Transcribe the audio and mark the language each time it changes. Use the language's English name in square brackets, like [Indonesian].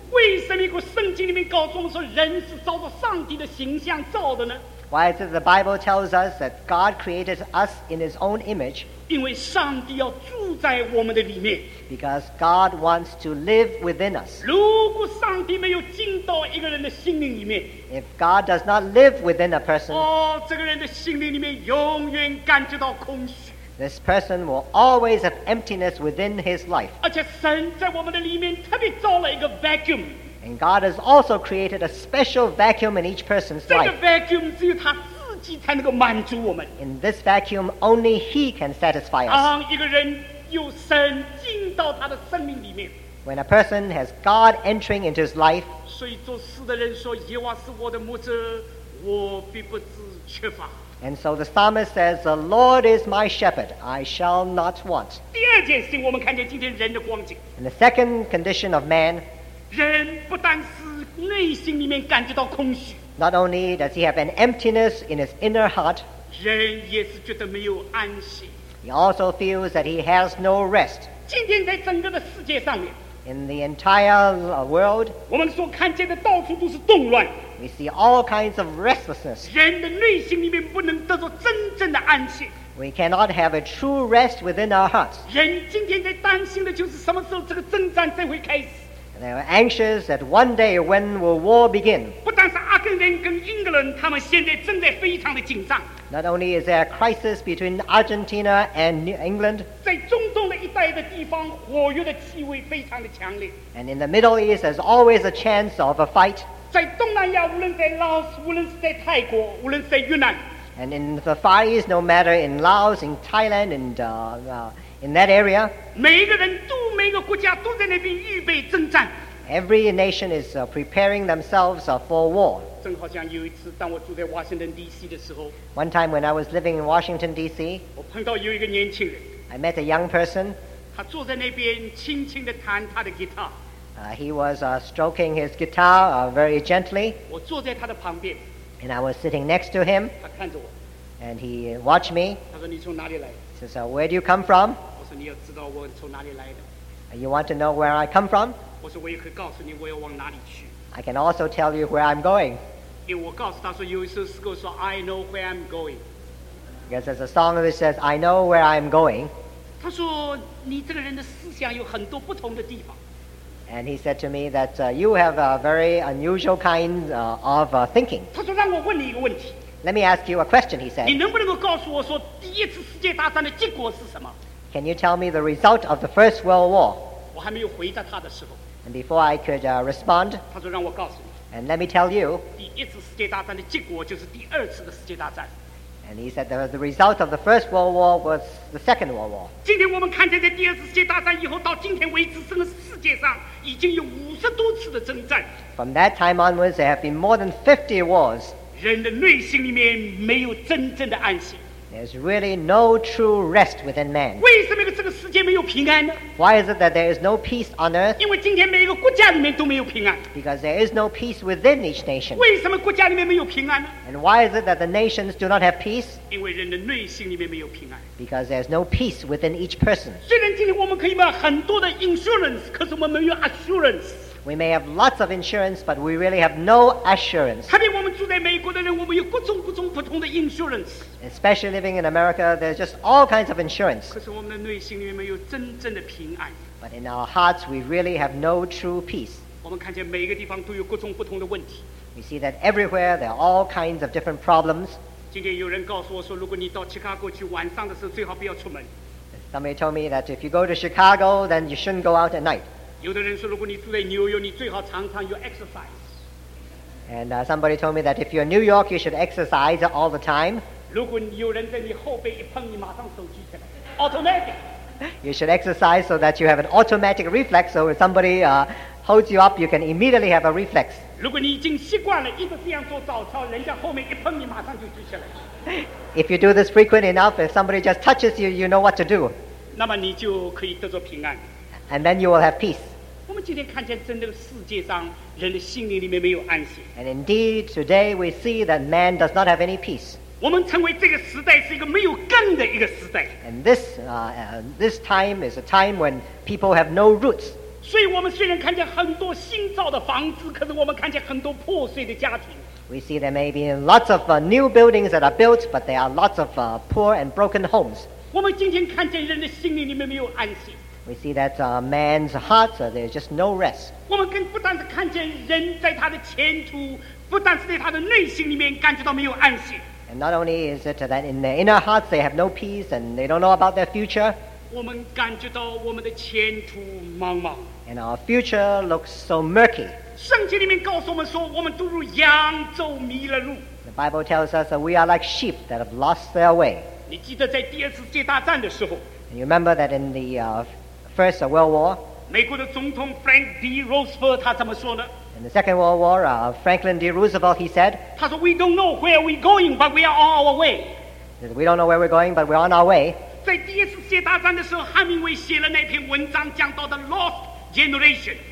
[Chinese] 为什么圣经里面告诉我们说人是照着上帝的形象造的呢？ [English] Why is it the Bible tells us that God created us in His own image? [Chinese] 因为上帝要住在我们的里面。 [English] Because God wants to live within us. [Chinese] 如果上帝没有进到一个人的心灵里面， [English] If God does not live within a person, [Chinese] 这个人的心灵里面永远感觉到空虚。 [English] This person will always have emptiness within his life. [Chinese] 而且神在我们的里面特别造了一个 vacuum. [English] And God has also created a special vacuum in each person's life. [Chinese] 这个 vacuum 只有他自己才能够满足我们。 [English] In this vacuum, only He can satisfy us. [Chinese] 当一个人有神进到他的生命里面。 [English] When a person has God entering into his life. [Chinese] 所以做事的人说，耶和华是我的牧者，我必不致缺乏。 [English] And so the psalmist says, The Lord is my shepherd, I shall not want. [Chinese] 第二件事情我们看见今天人的光景。 [English] And the second condition of man, [Chinese] 人不但是内心里面感觉到空虚。 [English] Not only does he have an emptiness in his inner heart, [Chinese] 人也是觉得没有安息。 [English] He also feels that he has no rest. [Chinese] 今天在整个的世界上面。 [English] In the entire world, [Chinese] 我们所看见的到处都是动乱。 [English] We see all kinds of restlessness. [Chinese] 人的内心里面不能得到真正的安息。 [English] We cannot have a true rest within our hearts. [Chinese] 人今天在担心的就是什么时候这个征战才会开始。 [English] They are anxious that one day when will war begin? [Chinese] 不但是阿根廷跟英格兰，他们现在正在非常的紧张。 [English] Not only is there a crisis between Argentina and England, [Chinese] 在中东的一带的地方，火药的气味非常的强烈。 [English] And in the Middle East, there's always a chance of a fight. [Chinese] 在东南无论在 Laos， 无论是在泰国，无论是在越南。 [English] And in the Far East, no matter in Laos, in Thailand, and in that area. [Chinese] 每一个人都每个国家都在那边预备征战。 [English] Every nation is preparing themselves for war. [Chinese] 正好像有一次，当我住在 Washington D.C. 的时候。 [English] One time when I was living in Washington D.C. [Chinese] 我碰到有一个年轻人。 [English] I met a young person. [Chinese] 他坐在那边轻轻地弹他的吉他。 [English] He was stroking his guitar very gently. [Chinese] 我坐在他的旁边。 [English] And I was sitting next to him. [Chinese] 他看着我。 [English] And he watched me. [Chinese] 他说你从哪里来？ [English] He says, where do you come from? [Chinese] 我说你要知道我从哪里来的。 [English] You want to know where I come from? [Chinese] 我说我也可以告诉你我要往哪里去。 [English] I can also tell you where I'm going. [Chinese] 因为我告诉他说有一首诗歌说 [English] I know where I'm going. Because there's a song that says I know where I'm going. [Chinese] 他说你这个人的思想有很多不同的地方。 [English] And he said to me that you have a very unusual kind of thinking. [Chinese] 他说让我问你一个问题。 [English] Let me ask you a question, he said. [Chinese] 你能不能够告诉我说第一次世界大战的结果是什么？ [English] Can you tell me the result of the First World War? [Chinese] 我还没有回答他的时候。 [English] And before I could respond. [Chinese] 他说让我告诉你。 [English] And let me tell you. [Chinese] 第一次世界大战的结果就是第二次的世界大战。 [English] And he said that the result of the First World War was the Second World War. [Chinese] 今天我们看见在第二次世界大战以后到今天为止，这个世界上已经有五十多次的征战。 [English] From that time onwards, there have been more than 50 wars. [Chinese] 人的内心里面没有真正的安息。 [English] There's really no true rest within man. [Chinese] 为什么这个世界没有平安呢？ [English] Why is it that there is no peace on earth? [Chinese] 因为今天每一个国家里面都没有平安。 [English] Because there is no peace within each nation. [Chinese] 为什么国家里面没有平安呢？ [English] And why is it that the nations do not have peace? [Chinese] 因为人的内心里面没有平安。 [English] Because there's no peace within each person. [Chinese] 虽然今天我们可以买很多的 insurance, 可是我们没有 assurance。 [English] We may have lots of insurance, but we really have no assurance. [Chinese] 特别我们住在美国的人，我们有各种各种不同的 insurance. [English] Especially living in America, there's just all kinds of insurance. [Chinese] 可是我们的内心里面没有真正的平安。 [English] But in our hearts, we really have no true peace. [Chinese] 我们看见每一个地方都有各种不同的问题。 [English] We see that everywhere there are all kinds of different problems. [Chinese] 今天有人告诉我说，如果你到 Chicago 去晚上的时候，最好不要出门。 [English] Somebody told me that if you go to Chicago, then you shouldn't go out at night. [Chinese] 有的人说如果你住在纽约你最好常常有 exercise [English] and somebody told me that if you're in New York you should exercise all the time [Chinese] 如果有人在你后背一碰你马上手举起来 automatic [English] you should exercise so that you have an automatic reflex so if somebody holds you up you can immediately have a reflex [Chinese] 如果你已经习惯了一直这样做早操人家后面一碰你马上就举起来 [English] if you do this frequent enough if somebody just touches you you know what to do [Chinese] 那么你就可以得到平安 [English] And then you will have peace. [Chinese] 我们今天看见真的世界上人的心灵里面没有安息。 [English] And indeed, today we see that man does not have any peace. [Chinese] 我们称为这个时代是一个没有根的一个时代。 [English] And this, this time is a time when people have no roots. [Chinese] 所以我们虽然看见很多新造的房子，可是我们看见很多破碎的家庭。 [English] We see there may be lots of new buildings that are built, but there are lots of poor and broken homes. [Chinese] 我们今天看见人的心灵里面没有安息。 [English] We see that man's heart, there's just no rest. [Chinese] 我们不但是看见人在他的前途，不但是在他的内心里面感觉到没有安息。 [English] And not only is it that in their inner hearts they have no peace and they don't know about their future. [Chinese] 我们感觉到我们的前途茫茫。 [English] And our future looks so murky. [Chinese] 圣经里面告诉我们说，我们都如羊走迷了路。 [English] The Bible tells us that we are like sheep that have lost their way. [Chinese] 你记得在第二次世界大战的时候。 [English] And you remember that in the First World War. [Chinese] 美国的总统 Frank D. Roosevelt 他怎么说呢？ [English] In the Second World War, Franklin D. Roosevelt, he said, [Chinese] 他说 [English] we don't know where we're going, but we are on our way. We don't know where we're going, but we're on our way. [Chinese] 在第一次世界大战的时候，汉明威写了那篇文章，讲到 [English] the lost generation.